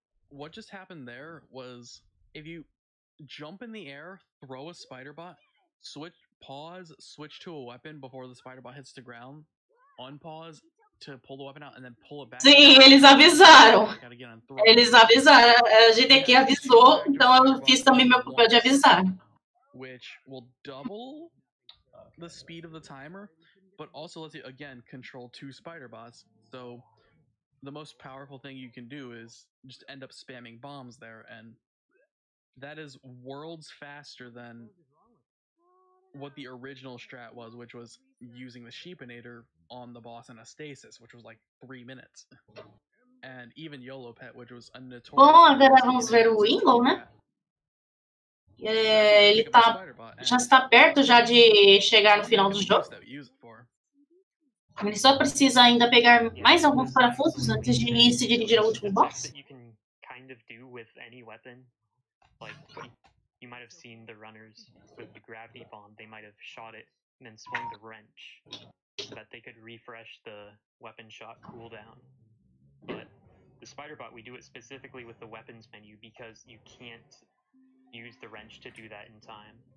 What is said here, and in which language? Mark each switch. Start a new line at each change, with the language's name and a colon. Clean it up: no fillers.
English: What just happened there was if you jump in the air, throw a spider bot, switch to a weapon before the spider bot hits the ground, unpause to pull the weapon out and then pull it back.
Portuguese: Sim, eles avisaram. Eles avisaram. A GDQ avisou, então eu fiz também meu papel de avisar.
English: Which will double the speed of the timer, but also lets you again control two spider bots. So the most powerful thing you can do is just end up spamming bombs there, and that is worlds faster than what the original strat was, which was using the Sheepinator on the boss in a stasis, which was like 3 minutes. And even Yolo Pet, which was a notorious...
Portuguese: Bom, agora vamos ver o Ingo, né? Ele tá, já está perto já de chegar no final do jogo. Ele só precisa ainda pegar mais alguns parafusos antes de se dirigir ao último boss.
English: You can kind of do with any weapon. Like, you might have seen the runners with the gravity bomb. They might have shot it and then swung the wrench. that they could refresh the weapon shot cooldown. But the Spiderbot, we do it specifically with the weapons menu because you can't use the wrench to do that in time.